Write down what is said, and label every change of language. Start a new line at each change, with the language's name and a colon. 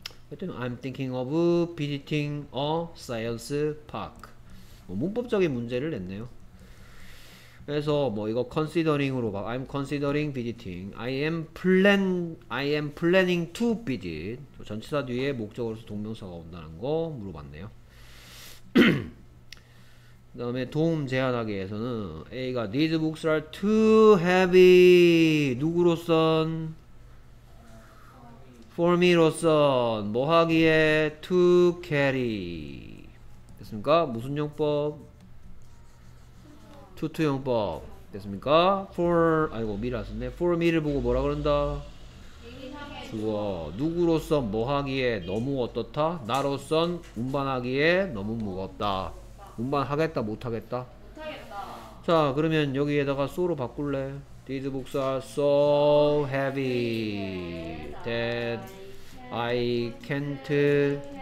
Korean: 하여튼
English: I'm thinking of visiting a science park.
Korean: 뭐 문법적인 문제를 냈네요. 그래서 뭐 이거 considering으로 봐.
English: I'm considering visiting. I am planning to visit.
Korean: 전치사 뒤에 목적으로서 동명사가 온다는 거 물어봤네요. 그 다음에 도움 제한하기 위해서는 A가
English: these books are too heavy.
Korean: 누구로선? For me로선. 뭐하기에? To carry. 됐습니까? 무슨 용법? 투투 용법 됐습니까? For me를 보고 뭐라 그런다? 주어 누구로서 뭐하기에 너무 어떻다? 나로선 운반하기에 너무 무겁다. 운반하겠다 못하겠다? 못하겠다. 자 그러면 여기에다가 so로 바꿀래?
English: These books are so heavy that I can't.